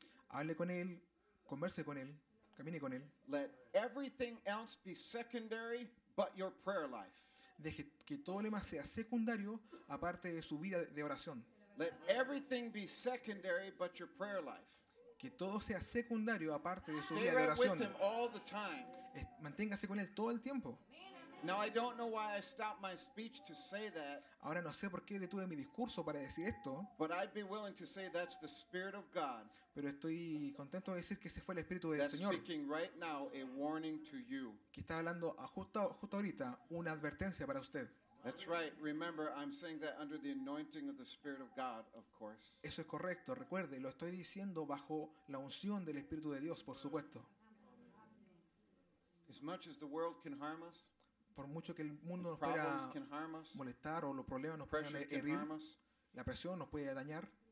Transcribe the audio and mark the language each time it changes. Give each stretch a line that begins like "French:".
Spanish: Hable con él, converse con él, camine con él.
English: Let everything else be secondary but your prayer life.
Spanish: Deje que todo lo demás sea secundario aparte de su vida de oración.
English: Let everything be secondary but your prayer life.
Spanish: Que todo sea secundario aparte de su
English: Stay
Spanish: vida
English: right
Spanish: de oración.
English: With him all the time.
Spanish: Manténgase con él todo el tiempo.
English: Now I don't know why I stopped my speech to say that.
Spanish: Ahora no sé por qué detuve mi discurso para decir esto.
English: But I'd be willing to say that's the Spirit of God.
Spanish: Pero estoy contento de decir que ese fue el Espíritu del Señor.
English: Speaking right now, a warning to you.
Spanish: Que está hablando justo ahorita una advertencia para usted.
English: That's right. Remember, I'm saying that under the anointing of the Spirit of God, of course.
Spanish: Eso es correcto. Recuerde, lo estoy diciendo bajo la unción del Espíritu de Dios, por supuesto.
English: As much as the world can harm us.
Spanish: Por mucho que el mundo nos pueda molestar o los problemas nos puedan herir, la presión nos puede dañar.